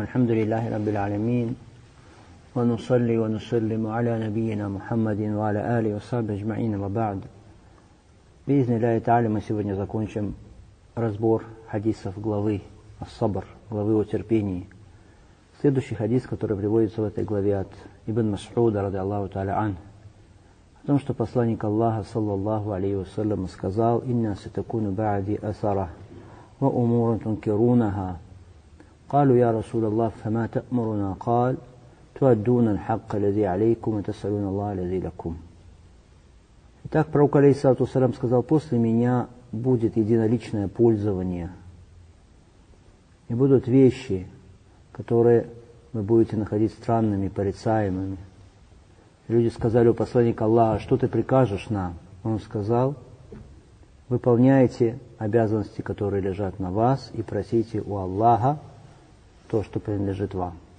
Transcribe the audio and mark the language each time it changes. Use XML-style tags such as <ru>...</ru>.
<ar>الحمد لله رب العالمين، ونصلي ونسلم على نبينا محمد وعلى آله وصحبه أجمعين، وبعد. بإذن الله تعالى</ar> <ru>мы сегодня закончим разбор хадисов главы الصبر، главы о терпении. Следующий хадис, который приводится в этой главе от Ибн Масуда</ru> <ar>رضي الله تعالى عنه،</ar> <ru>о том, что посланник Аллаха</ru> <ar>صلى الله عليه وسلم</ar> <ru>сказал:</ru> <ar>إن ستكون بعدي أثرة وأمور تنكرونها. قالوا يا رسول الله فما تأمرنا؟ قال تؤدون الحق الذي عليكم وتسألون الله الذي لكم.</ar> <ru>Итак, пророк алейхиссалату вассалям сказал: после меня будет единоличное пользование, и будут вещи, которые вы будете находить странными, порицаемыми. Люди сказали у посланника Аллаха: что ты прикажешь нам? Он сказал: выполняйте обязанности, которые лежат на вас, и просите у Аллаха то, что принадлежит вам.</ru>